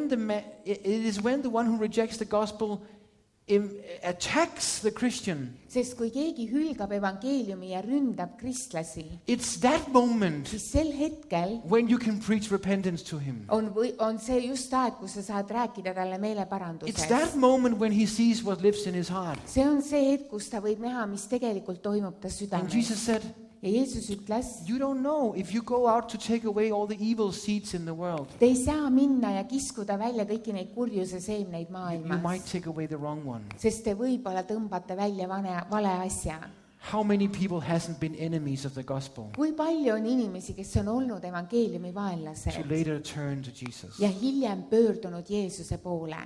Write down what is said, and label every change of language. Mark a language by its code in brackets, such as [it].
[en] It is when the one who rejects the gospel attacks the Christian. [et] Sest kui keegi hülgab evangeeliumi ja ründab kristlasi. [en] It's that moment. [et] Siis sel hetkel. [en] When you can preach repentance to him. [et] On see just aeg, kus sa saad rääkida talle meele parandusest. [en] It's that moment when he sees what lives in his heart. [et] See on see hetk, kus ta võib näha, mis tegelikult toimub ta südames. [en] And Jesus said, [et] ja Jeesus ütles, [en] you don't know if you go out to take away all the evil seeds in the world. [et] Te ei saa minna ja kiskuda välja kõiki neid kurjuse seemneid maailmas. [en] You might take away the wrong one. [et] Sest te võib-olla tõmbate välja vale asja. [en] How many people hasn't been enemies of the gospel? [et] Kui palju on inimesi, kes on olnud evangeeliumi vaenlased? [en] To later turn to Jesus. [et] Ja hiljem pöördunud Jeesuse poole.